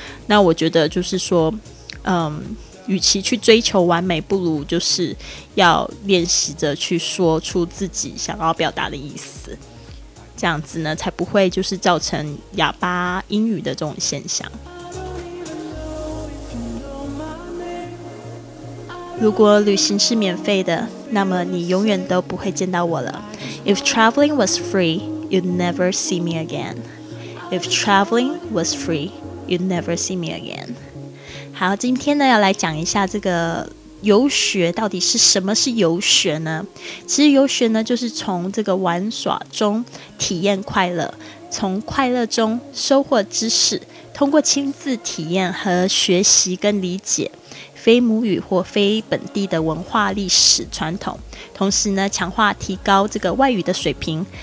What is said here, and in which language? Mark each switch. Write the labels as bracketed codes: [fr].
[zh] 那我觉得就是说，与其去追求完美，不如就是要练习着去说出自己想要表达的意思，这样子呢才不会就是造成哑巴英语的这种现象。如果旅行是免费的，那么你永远都不会见到我了。 [en] If traveling was free, you'd never see me again. If traveling was free, you'd never see me again. [zh] 好，今天呢要来讲一下这个游学到底是什么是游学呢？其实游学呢，就是从这个玩耍中体验快乐，从快乐中收获知识，通过亲自体验和学习跟理解非母语或非本地的文化历史传统，同时呢，强化提高这个外语的水平。